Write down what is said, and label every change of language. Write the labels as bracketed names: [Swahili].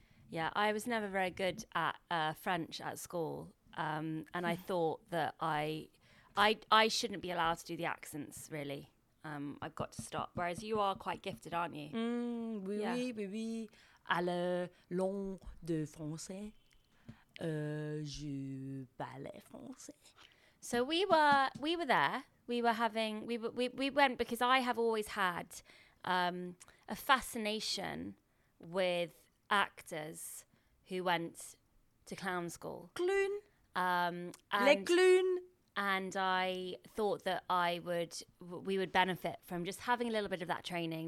[English] Yeah, I was never very good at French at school, and I thought that I shouldn't be allowed to do the accents really. I've got to stop. Whereas you are quite gifted, aren't you? [French] Oui, à la langue de français, je parle français. [English] So we were there. We went because I have always had a fascination with actors who went to clown school. Clown. [French] Les clowns. [English] And I thought that we would benefit from just having a little bit of that training.